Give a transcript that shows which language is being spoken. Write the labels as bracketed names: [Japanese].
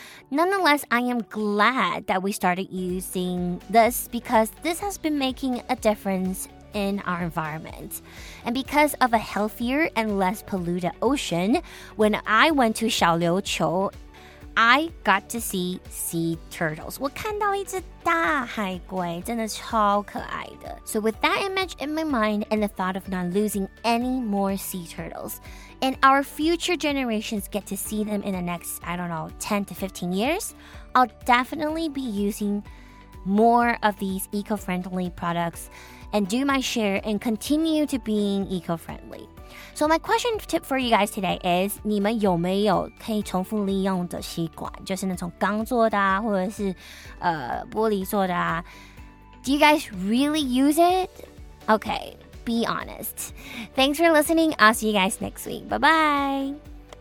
[English] Nonetheless, I am glad that we started using this because this has been making a difference in our environment. And because of a healthier and less polluted ocean, when I went to Xiaoliuqiu, I got to see sea turtles. [Chinese] 我看到一只大海龟，真的超可爱的。 [English] So with that image in my mind and the thought of not losing any more sea turtles, and our future generations get to see them in the next, I don't know, 10 to 15 years, I'll definitely be using more of these eco-friendly products and do my share and continue to being eco-friendly. So my question tip for you guys today is, [Chinese] 你们有没有可以重复利用的吸管？就是那种钢做的啊，或者是玻璃做的啊。 [English] Do you guys really use it? Okay, be honest. Thanks for listening. I'll see you guys next week. Bye-bye.